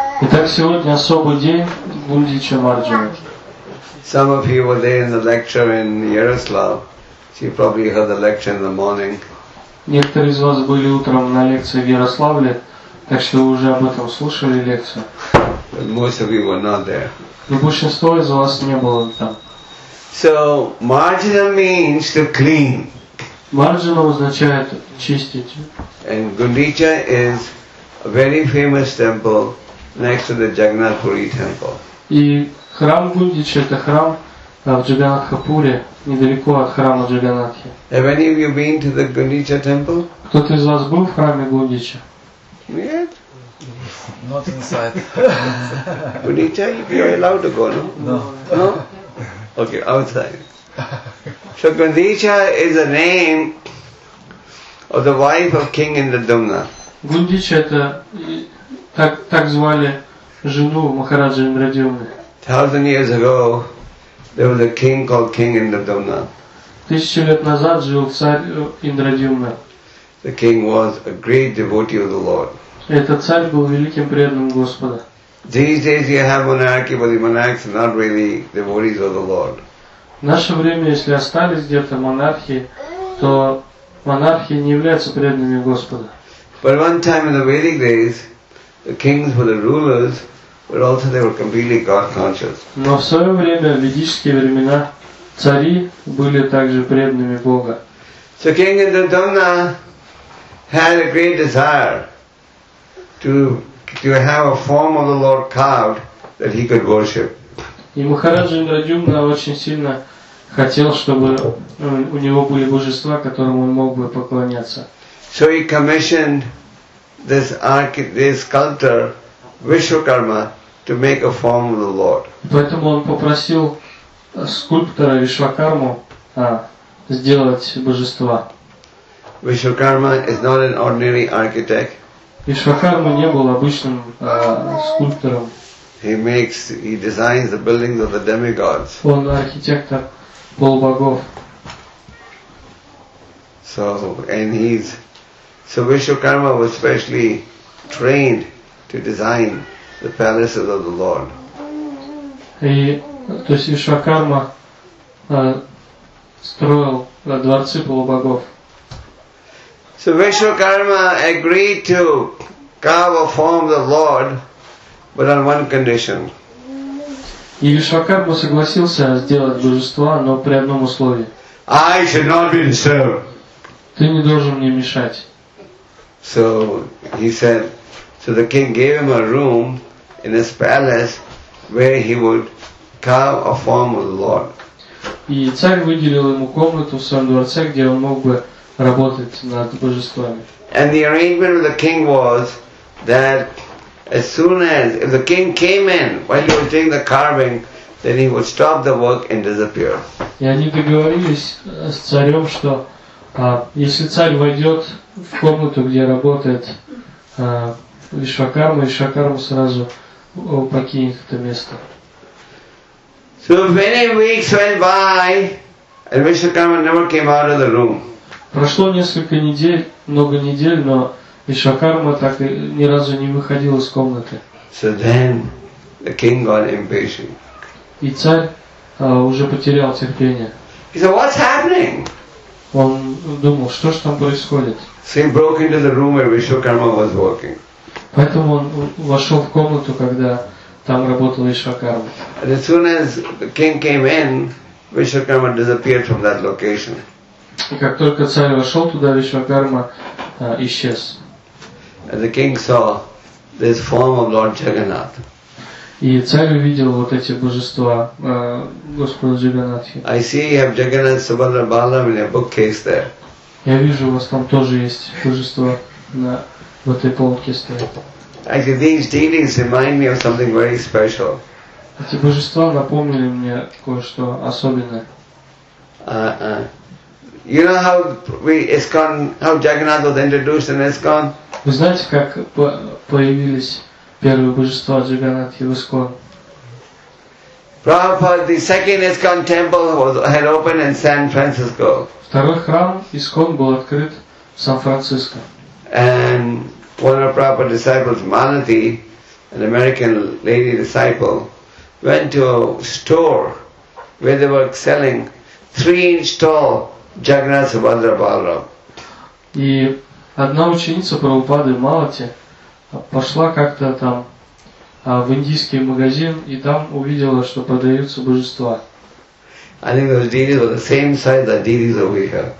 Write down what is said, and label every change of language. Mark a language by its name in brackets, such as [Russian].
[Russian] Итак, сегодня особый день Гундича Марджана. [English] Some of you were there in the lecture in Yaroslav, so you probably heard the lecture in the morning. [Russian] Некоторые из вас были утром на лекции в Ярославле, так что вы уже об этом слушали лекцию. [English] But most of you were not there. [Russian] Но большинство из вас не было там. [English] So marjana means to clean. [Russian] Marjana означает чистить. [English] And Gundicha is a very famous temple next to the Jagannath Puri temple. [Russian] И храм Гундича — это храм в Джаганатхапуре, недалеко от храма Джаганатхи. [English] Have any of you been to the Gundicha temple? [Russian] Кто-то из вас был в храме Гундича? Нет. [English] Not inside. Gundicha, you're allowed to go, no? No. No? Okay, outside. So Gundicha is the name of the wife of King Indradumna. [Russian] Гундича — это так звали жену Махараджа Индрадюмны. [English] 1,000 years ago, there was a king called King Indradumna. [Russian] 1000 лет назад жил царь Индрадюмна. [English] The king was a great devotee of the Lord. [Russian] Этот царь был великим преданным Господа. [English] These days you have monarchy, but the monarchs are not really devotees of the Lord. [Russian] В наше время, если остались где-то монархи, то монархи не являются преданными Господа. [English] But one time in the Vedic days, the kings were the rulers, but also they were completely God-conscious. [Russian] Но в свое время, в ведические времена, цари были также преданными Бога. [English] So King Indradumna had a great desire to have a form of the Lord carved that he could worship. [Russian] И Махараджа Индрадюмна очень сильно хотел, чтобы у него были божества, которым он мог бы поклоняться. [English] So he commissioned this sculptor Vishwakarma to make a form of the Lord. [Russian] Поэтому он попросил скульптора Вишвакарму сделать божества. [English] Vishwakarma is not an ordinary architect. [Russian] Вишвакарма не был обычным скульптором. [English] He designs the buildings of the demigods. [Russian] Он архитектор полубогов. [English] So Vishwakarma was specially trained to design the palaces of the Lord. [Russian] И то есть Вишвакарма строил дворцы полубогов. [English] So Vishwakarma agreed to carve a form of the Lord, but on one condition. [Russian] И Вишвакарма согласился сделать божество, но при одном условии. [English] I should not be disturbed. [Russian] Ты не должен мне мешать. [English] So he said, so the king gave him a room in his palace where he would carve a form of the Lord. [Russian] И царь выделил ему комнату в своем дворце, где он мог бы работать над божествами. [English] And the arrangement of the king was that as soon as, if the king came in while he was doing the carving, then he would stop the work and disappear. [Russian] И они договорились с царем, что если царь войдет в комнату, где работает Вишвакарма, Вишвакарма сразу покинет это место. [English] So many weeks went by, and Vishwakarma never came out of the room. [Russian] Прошло несколько недель, много недель, но Вишвакарма так ни разу не выходил из комнаты. [English] So then the king got impatient. [Russian] И царь уже потерял терпение. [English] He said, "What's happening?" [Russian] Он думал, что же там происходит. [English] So he broke into the room where Vishwakarma was working. [Russian] Поэтому он вошел в комнату, когда там работал Вишвакарма. [English] And as soon as the king came in, Vishwakarma disappeared from that location. [Russian] И как только царь вошел туда, Вишвакарма исчез. [English] And the king saw this form of Lord Jagannath. [Russian] И царь увидел вот эти божества Господа Джаганатхи. [English] I see you have Jagannath Subhadra Balam in your bookcase there. [Russian] Я вижу, у вас там тоже есть божество в этой полке стоит. [English] Actually, these dealings remind me of something very special. [Russian] Эти божества напомнили мне кое-что особенное. [English] You know how Jagannath was introduced in ISKCON? [Russian] Вы знаете, как появились первые божества Джаганатхи в ИСКОН? [English] Prabhupada, the second ISKCON temple had opened in San Francisco. [Russian] Второй храм ИСКОН был открыт в Сан-Франциско. [English] And one of Prabhupada's disciples, Malati, an American lady disciple, went to a store where they were selling 3-inch tall Jagannath Subhadra Balaram. [Russian] И одна ученица Прабхупады Малати пошла как-то там в индийский магазин и там увидела, что продаются божества. [English] I think those deities were the same size as deities over here.